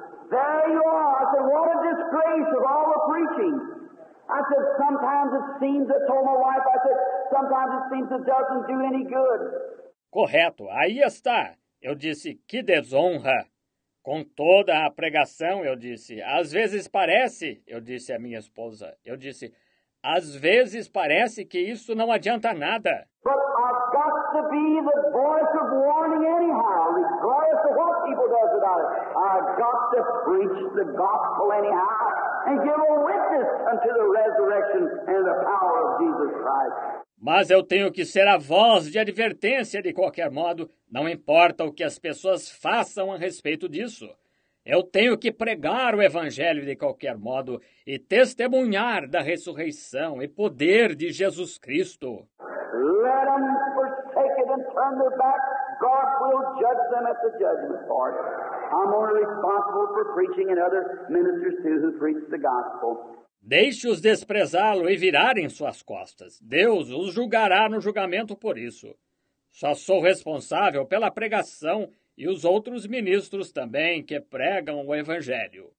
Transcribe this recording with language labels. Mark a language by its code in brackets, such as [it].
[en] There you are. I said, what a disgrace of all the preaching. I said, sometimes it seems, I told my wife, I said, sometimes it seems it doesn't do any good. [pt] Correto, aí está. Eu disse, que desonra. Com toda a pregação, eu disse, às vezes parece, eu disse à minha esposa, eu disse, às vezes parece que isso não adianta nada. [en] But I've got to be the voice of warning anyhow, regardless of what people does about it. I've got to preach the gospel anyhow and give a witness unto the resurrection and the power of Jesus Christ. [pt] Mas eu tenho que ser a voz de advertência de qualquer modo, não importa o que as pessoas façam a respeito disso. Eu tenho que pregar o evangelho de qualquer modo e testemunhar da ressurreição e poder de Jesus Cristo. [en] Let them forsake it and turn their back. God will judge them at the judgment board. I'm only responsible for preaching and other ministers too who preach the gospel. [pt] Deixe-os desprezá-lo e virarem suas costas. Deus os julgará no julgamento por isso. Só sou responsável pela pregação e os outros ministros também que pregam o evangelho.